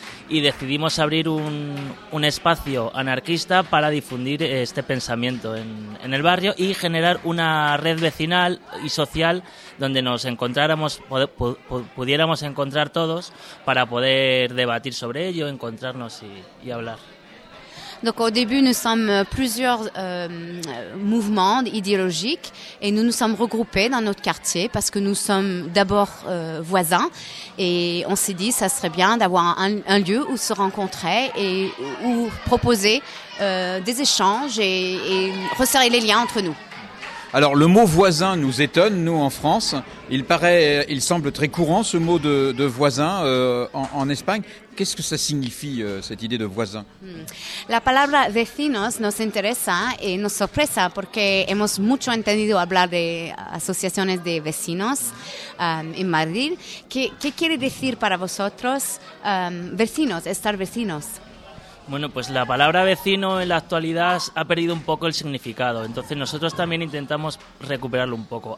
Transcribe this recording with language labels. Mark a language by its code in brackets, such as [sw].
[es] Y decidimos abrir un espacio anarquista para difundir este pensamiento en el barrio y generar una red vecinal y social donde nos encontráramos, pudiéramos encontrar todos para poder debatir sobre ello, encontrarnos y hablar. [fr] Donc au début, nous sommes plusieurs mouvements idéologiques et nous nous sommes regroupés dans notre quartier parce que nous sommes d'abord voisins et on s'est dit que ça serait bien d'avoir un lieu où se rencontrer et où proposer des échanges et resserrer les liens entre nous. Alors le mot voisin nous étonne, nous en France. Il semble très courant ce mot de voisin en Espagne. Qu'est-ce que ça signifie, cette idée de voisin? [es] La palabra vecinos nos interesa y nos sorpresa porque hemos mucho entendido hablar de asociaciones de vecinos en Madrid. ¿Qué quiere decir para vosotros vecinos, estar vecinos? Bueno, pues la palabra vecino en la actualidad ha perdido un poco el significado, entonces nosotros también intentamos recuperarlo un poco.